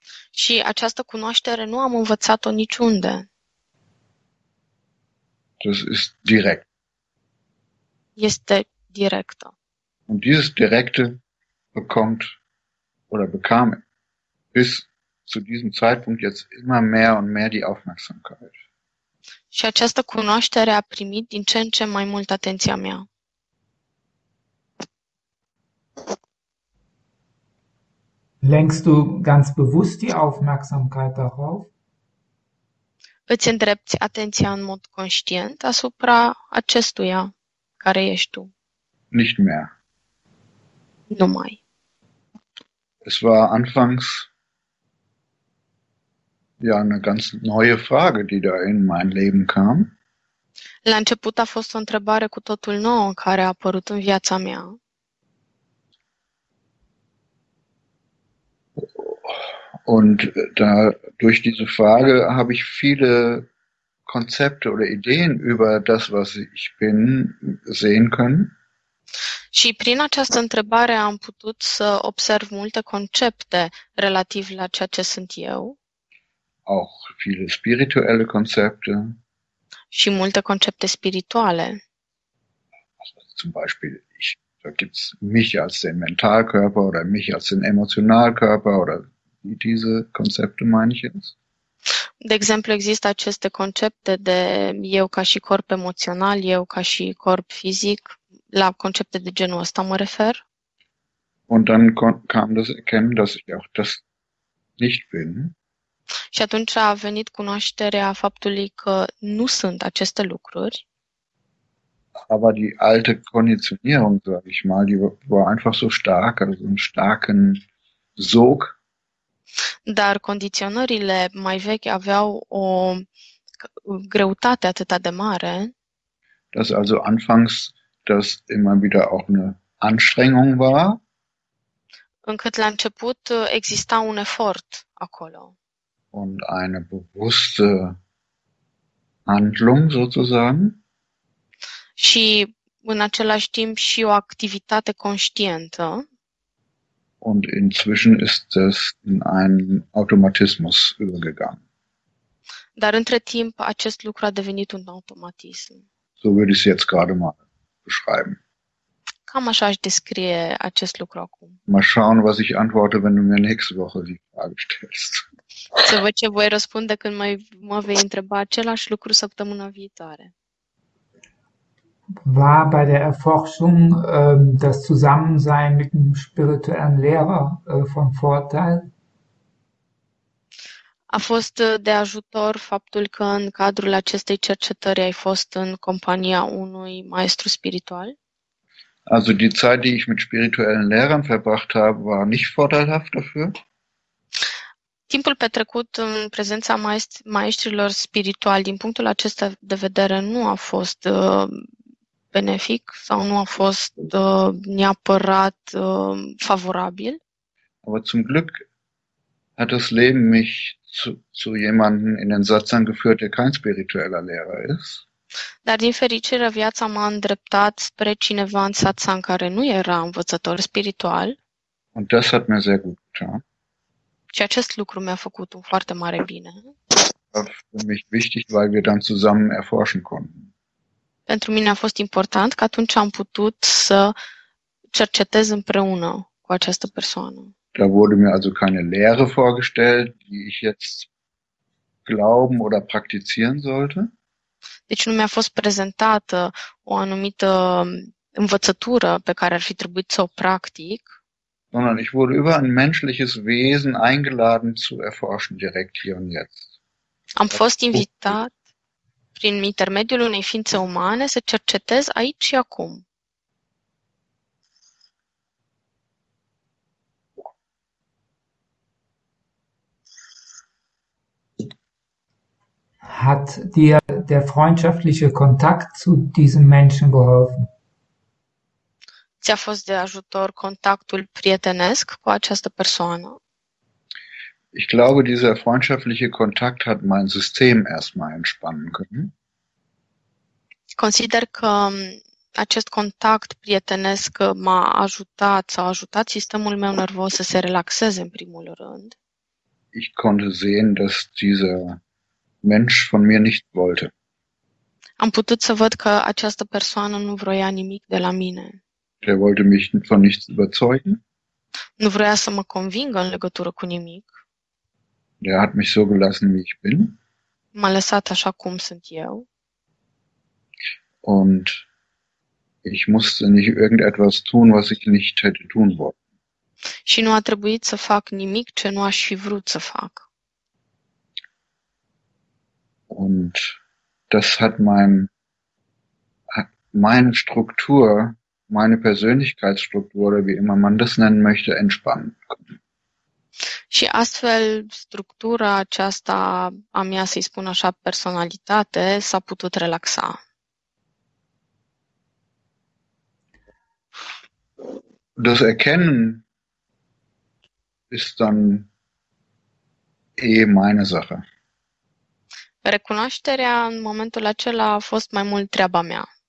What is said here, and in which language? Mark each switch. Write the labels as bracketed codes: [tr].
[ro] Și această cunoaștere nu am învățat-o niciunde. [de] Das ist direkt. [ro] Este directă. [de] Und dieses Direkte bekommt oder bekam bis zu diesem Zeitpunkt jetzt immer mehr und mehr die Aufmerksamkeit. [ro] Și această cunoaștere a primit din ce în ce mai mult atenția mea. [de] Lenkst du ganz bewusst die Aufmerksamkeit darauf? [ro] Îți îndrepți atenția în mod conștient asupra acestuia care ești tu. [de] Nicht mehr. [ro] Nu mai. [de] Es war anfangs ja eine ganz neue Frage, die da in mein Leben kam. [ro] La început a fost o întrebare cu totul nouă care a apărut în viața mea. [de] Und da durch diese Frage habe ich viele Konzepte oder Ideen über das, was ich bin, sehen können. [ro] Și prin această întrebare am putut să observ multe concepte relativ la ceea ce sunt eu [de] Auch viele spirituelle Konzepte. [ro] și multe concepte spirituale. [de] Zum Beispiel, da gibt es mich als den Mentalkörper oder mich als den Emotionalkörper oder wie diese Konzepte meine ich jetzt. [ro] De exemplu, există aceste concepte de eu ca și corp emoțional, eu ca și corp fizic. La concepte de genul ăsta mă refer. [de] Und dann kam das Erkennen, dass ich auch das nicht bin. [ro] Și atunci a venit cunoașterea faptului că nu sunt aceste lucruri. [de] Aber die alte Konditionierung, sage ich mal, die war einfach so stark, also einen starken Sog. [ro] Dar condiționările mai vechi aveau o greutate atât de mare. [de] Dass also anfangs das immer wieder auch eine Anstrengung war. [ro] Încât la început exista un efort acolo. [de] Und eine bewusste Handlung sozusagen. [ro] Și în același timp și o activitate conștientă. [de] Und inzwischen ist es in einen Automatismus übergegangen. [ro] Dar între timp acest lucru a devenit un automatism. [de] So würde ich es jetzt gerade mal beschreiben. [ro] Cam așa aș descrie acest lucru acum. [de] Mal schauen, was ich antworte, wenn du mir nächste Woche die Frage stellst. [ro] Să văd ce voi răspunde când mă vei întreba același lucru săptămâna viitoare. [de] War bei der Erforschung das Zusammensein mit dem spirituellen Lehrer von Vorteil? [ro] A fost de ajutor faptul că în cadrul acestei cercetări ai fost în compania unui maestru spiritual? [de] Also die Zeit, die ich mit spirituellen Lehrern verbracht habe, war nicht vorteilhaft dafür. [ro] Timpul petrecut în prezența maestrilor spirituali, din punctul acesta de vedere, nu a fost benefic sau nu a fost neapărat favorabil. [de] Aber zum Glück hat das Leben mich zu jemandem in den Satsang geführt, der kein spiritueller Lehrer ist. [ro] Dar, din fericire, viața m-a îndreptat spre cineva în satsang care nu era învățător spiritual. [de] Und das hat mir sehr gut getan. [ro] Și acest lucru mi-a făcut un foarte mare bine. [de] war für mich wichtig, weil wir dann zusammen erforschen konnten. [ro] Pentru mine a fost important că atunci am putut să cercetez împreună cu această persoană. [de] Da wurde mir also keine Lehre vorgestellt, die ich jetzt glauben oder praktizieren sollte. [ro] Deci nu mi-a fost prezentată o anumită învățătură pe care ar fi trebuit să o practic. [de] Sondern ich wurde über ein menschliches Wesen eingeladen zu erforschen, direkt hier und jetzt. [ro] Am fost invitat prin intermediul unei ființe umane să cercetez aici și acum. [de] Hat dir der freundschaftliche Kontakt zu diesem Menschen geholfen? [ro] Ți-a fost de ajutor contactul prietenesc cu această persoană? [de] Ich glaube, dieser freundschaftliche Kontakt hat mein System erstmal entspannen können. [ro] Consider că acest contact prietenesc m-a ajutat sau a ajutat sistemul meu nervos să se relaxeze în primul rând. [de] Ich konnte sehen, dass dieser Mensch von mir nicht wollte. [ro] Am putut să văd că această persoană nu vroia nimic de la mine. [de] Der wollte mich von nichts überzeugen. [ro] Nu vroia să mă convingă în legătură cu nimic. [de] Der hat mich so gelassen, wie ich bin. [ro] M-a lăsat așa cum sunt eu. [de] Und ich musste nicht irgendetwas tun, was ich nicht hätte tun wollen. [ro] Și nu a trebuit să fac nimic ce nu aș fi vrut să fac. [de] Und das hat meine Struktur, meine Persönlichkeitsstruktur oder wie immer man das nennen möchte, entspannen können. [ro] Și astfel, structura aceasta a mea, să-i spun așa, personalitate, s-a putut relaxa. [de] Das Erkennen ist dann eh meine Sache. [ro] Recunoașterea în momentul acela a fost mai mult treaba mea.